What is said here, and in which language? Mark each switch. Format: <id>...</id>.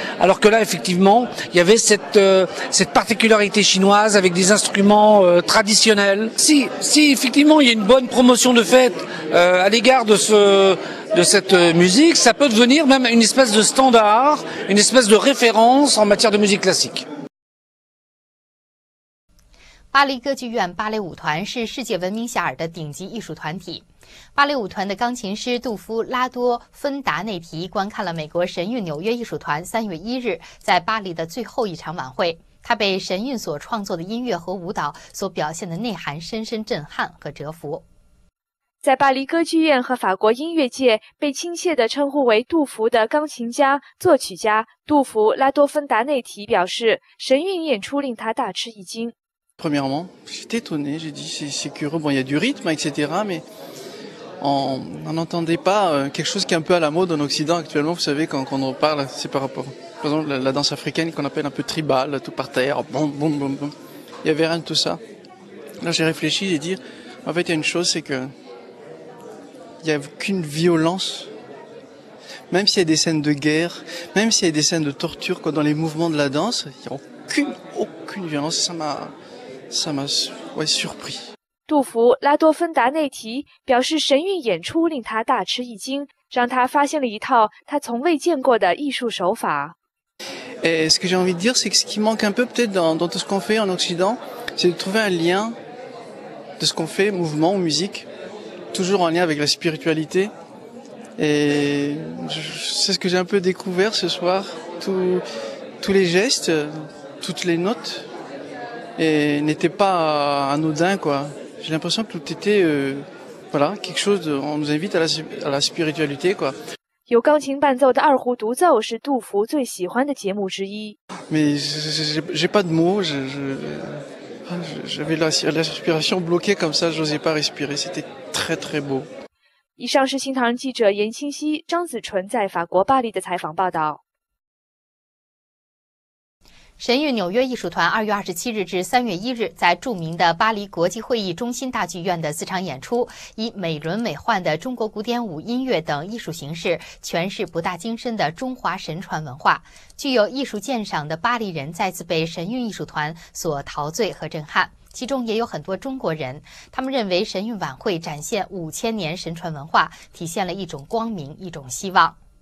<fr>Alors que là, effectivement, il y avait cette particularité chinoise avec des instruments traditionnels. Si, effectivement, il y a une bonne promotion de fait à l'égard de cette musique, ça peut devenir même une espèce de standard, une espèce de référence en matière de musique classique.</fr> <zh>巴黎歌剧院芭蕾舞团是世界闻名遐迩的顶级艺术团体。芭蕾舞团的钢琴师杜夫拉多芬达内提观看了美国神韵纽约艺术团3月1日在巴黎的最后一场晚会。他被神韵所创作的音乐和舞蹈所表现的内涵深深震撼和折服。在巴黎歌剧院和法国音乐界被亲切地称呼为杜甫的钢琴家、作曲家杜甫拉多芬达内提表示，神韵演出令他大吃一惊。</zh> <fr>Premièrement, j'étais étonné. J'ai dit, c'est curieux. Bon, il y a du rythme, etc. Mais on n'entendait pas quelque chose qui est un peu à la mode en Occident actuellement. Vous savez, quand on reparle, c'est par rapport, par exemple, la danse africaine qu'on appelle un peu tribal, tout par terre, boum, boum, boum, boum. Il n'y avait rien de tout ça. Là, j'ai réfléchi, j'ai dit, en fait, il y a une chose, c'est que il n'y a aucune violence. Même s'il y a des scènes de guerre, même s'il y a des scènes de torture, quoi, dans les mouvements de la danse, il n'y a aucune violence. Ça m'a surpris.</fr> <zh>杜甫拉多芬达内提表示，神韵演出令他大吃一惊，让他发现了一套他从未见过的艺术手法。</zh> <fr>Ce que j'ai envie de dire, c'est que ce qui manque un peu peut-être dans tout ce qu'on fait en Occident, c'est de trouver un lien de ce qu'on fait, mouvement ou musique, toujours en lien avec la spiritualité. Et c'est ce que j'ai un peu découvert ce soir, tous les gestes, toutes les notes. Et n'était pas anodin, quoi. J'ai l'impression que tout était, voilà, quelque chose de, on nous invite à la spiritualité, quoi.</fr> <zh>由钢琴伴奏的二胡独奏是杜甫最喜欢的节目之一。</zh> <fr>Mais j'ai pas de mots, j'avais la respiration bloquée comme ça, j'osais pas respirer, c'était très très beau.</fr> <zh>以上是新唐人记者严清晰、张子纯在法国巴黎的采访报道。神韵纽约艺术团2月27日至3月1日在著名的巴黎国际会议中心大剧院的四场演出，以美轮美奂的中国古典舞音乐等艺术形式诠释博大精深的中华神传文化，具有艺术鉴赏的巴黎人再次被神韵艺术团所陶醉和震撼，其中也有很多中国人，他们认为神韵晚会展现5000年神传文化，体现了一种光明，一种希望。</zh>